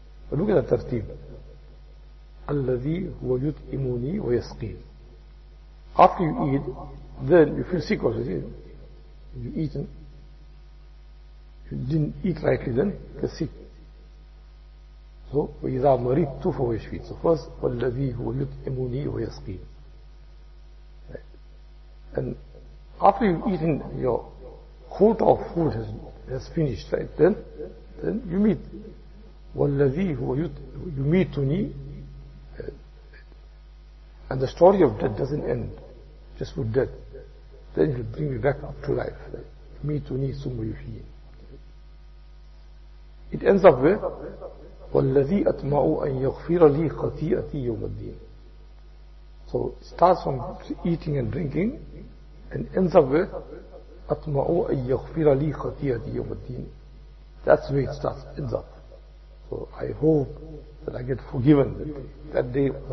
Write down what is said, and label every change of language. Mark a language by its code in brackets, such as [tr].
[en] Look at the tertib. [ar] الَّذِي هُوَ يُطْعِمُنِي وَيَسْقِينِ. [en] After you eat, then you feel sick also. You eat, you didn't eat rightly, then you get sick. [ar] So, وَإِذَا مَرِضْتُ فَهُوَ يَشْفِينِ. [en] So first, [ar] وَالَّذِي هُوَ يُطْعِمُنِي وَيَسْقِينِ. [en] And after you've eaten, your quota of food has finished, right? Then you meet. [ar] وَالَّذِي هُوَ يُمِيتُنِي. [en] And the story of death doesn't end just with death. Then he'll bring me back up to life. [ar] يُمِيتُنِي ثُمَّ يُحْيِينِ. [en] It ends up where? [ar] وَالَّذِي أَطْمَعُ أَنْ يَغْفِرَ لِي خَطِيئَتِي يَوْمَ الدِّينِ. [en] So it starts from eating and drinking and ends up with [ar] أَطْمَعُ أَنْ يَغْفِرَ لِي خَطِيئَتِي يَوْمَ الدِّينِ. [en] That's where it starts, ends up. So I hope that I get forgiven that day.